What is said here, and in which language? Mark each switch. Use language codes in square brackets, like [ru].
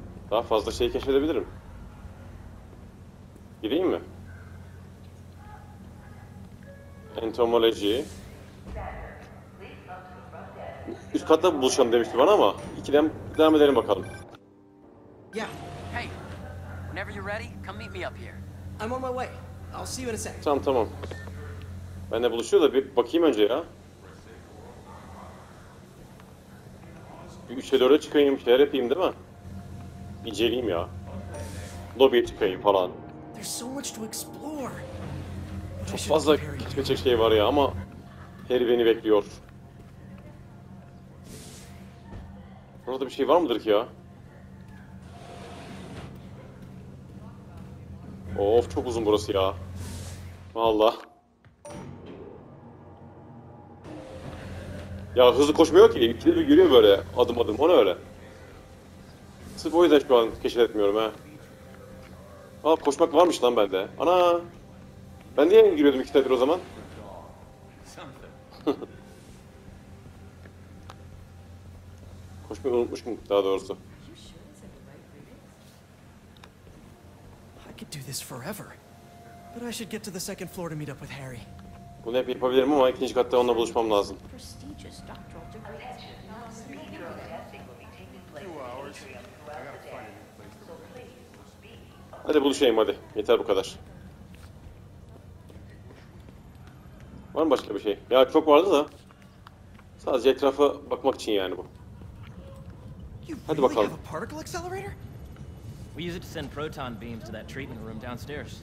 [tr] Daha fazla şey keşfedebilirim. Gireyim mi? Entomoloji. Üst katta buluşalım demişti bana ama ikiden devam edelim bakalım. [en] Yeah. Hey. Whenever you're ready, come meet me up here. I'm on my way. I'll see you in a sec. [tr] Tamam tamam. Ben de buluşuyor da bir bakayım önce ya. Bir 3'e 4'e çıkayım, bir şeyler yapayım değil mi? İnceleyeyim ya. Lobby'ye çıkayım falan. [en] There's so much to explore. [tr] Çok fazla keşfedecek şey var ya ama Harry beni bekliyor. Burada bir şey var mıdır ki ya? Of çok uzun burası ya. Vallahi. Ya hızlı koşmuyor ki. İkide bir yürüyor böyle adım adım. O ne öyle? Sırf o yüzden şu an keşfetmiyorum ha. Aa koşmak varmış lan bende. Ana. Ben niye giriyordum ikide bir o zaman? Koşmayı unutmuşum daha doğrusu. [en] I could do this forever, but I should get to the second floor to meet up with Harry. [tr] Bunu hep yapabilirim ama ikinci katta onunla buluşmam lazım. Hadi buluşayım hadi. Yeter bu kadar. Var mı başka bir şey? Ya çok vardı da. Sadece etrafa bakmak için yani bu. Hadi bakalım. [en] We use it to send proton beams to that treatment room downstairs.